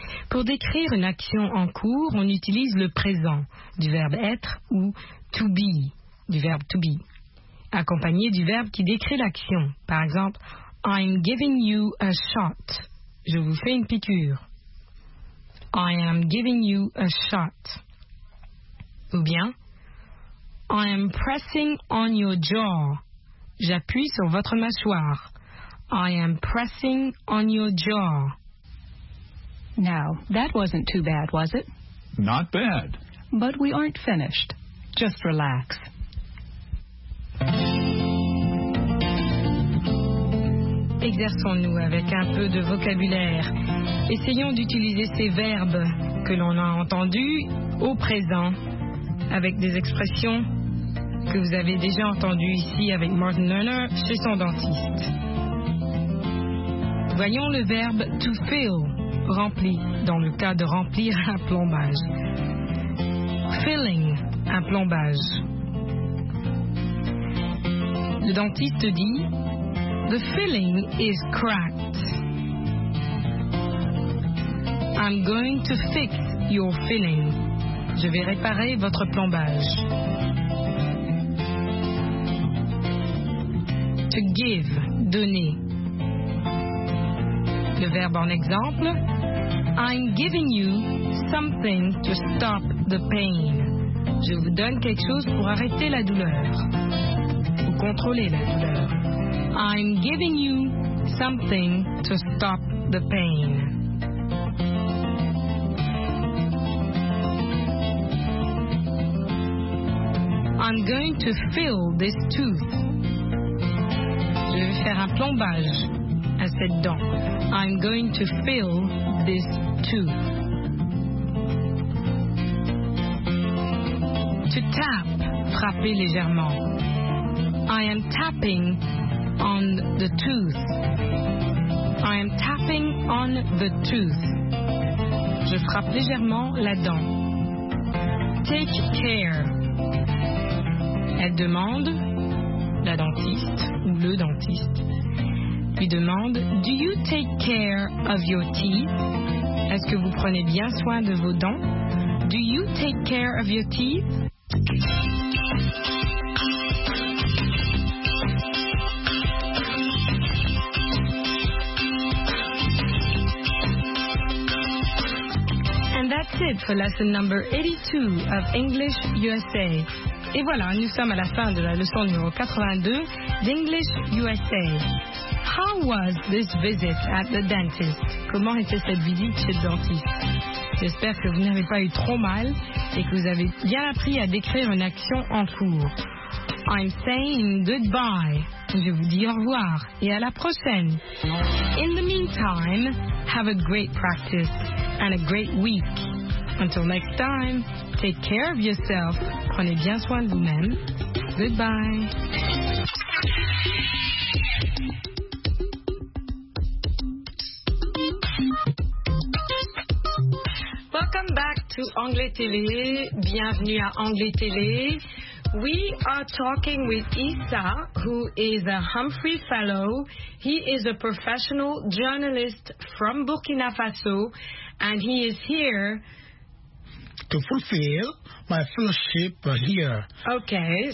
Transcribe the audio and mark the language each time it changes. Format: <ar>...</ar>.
<fr>Pour décrire une action en cours, on utilise le présent du verbe être ou to be, du verbe to be, accompagné du verbe qui décrit l'action. Par exemple,</fr> <en>I'm giving you a shot.</en> <fr>Je vous fais une piqûre.</fr> <en>I am giving you a shot. Ou bien, I am pressing on your jaw.</en> <fr>J'appuie sur votre mâchoire.</fr> <en>I am pressing on your jaw. Now, that wasn't too bad, was it? Not bad. But we aren't finished. Just relax.</en> <fr>Exerçons-nous avec un peu de vocabulaire. Essayons d'utiliser ces verbes que l'on a entendus au présent avec des expressions que vous avez déjà entendues ici avec Martin Lerner chez son dentiste. Voyons le verbe to fill, rempli, dans le cas de remplir un plombage. Filling, un plombage. Le dentiste dit,</fr> <en>the filling is cracked. I'm going to fix your filling.</en> <fr>Je vais réparer votre plombage. To give, donner. Le verbe en exemple,</fr> <en>I'm giving you something to stop the pain.</en> <fr>Je vous donne quelque chose pour arrêter la douleur. Contrôler la douleur.</fr> <en>I'm giving you something to stop the pain. I'm going to fill this tooth.</en> <fr>Je vais faire un plombage à cette dent.</fr> <en>I'm going to fill this tooth.</en> <fr>To tap, frapper légèrement.</fr> <en>I am tapping on the tooth. I am tapping on the tooth.</en> <fr>Je frappe légèrement la dent.</fr> <en>Take care.</en> <fr>Elle demande, la dentiste ou le dentiste, lui demande,</fr> <en>do you take care of your teeth?</en> <fr>Est-ce que vous prenez bien soin de vos dents?</fr> <en>Do you take care of your teeth? That's it for lesson number 82 of English USA.</en> <fr>Et voilà, nous sommes à la fin de la leçon numéro 82 d'English USA.</fr> <en>How was this visit at the dentist?</en> <fr>Comment était cette visite chez le dentiste? J'espère que vous n'avez pas eu trop mal et que vous avez bien appris à décrire une action en cours.</fr> <en>I'm saying goodbye.</en> <fr>Je vous dis au revoir et à la prochaine.</fr> <en>In the meantime, have a great practice and a great week. Until next time, take care of yourself.</en> <fr>Prenez bien soin de vous-même. Goodbye.</fr> <en>Welcome back to Anglais Télé.</en> <fr>Bienvenue à Anglais Télé.</fr> <en>We are talking with Issa, who is a Humphrey Fellow. He is a professional journalist from Burkina Faso, and he is here to fulfill my fellowship here. Okay.</en>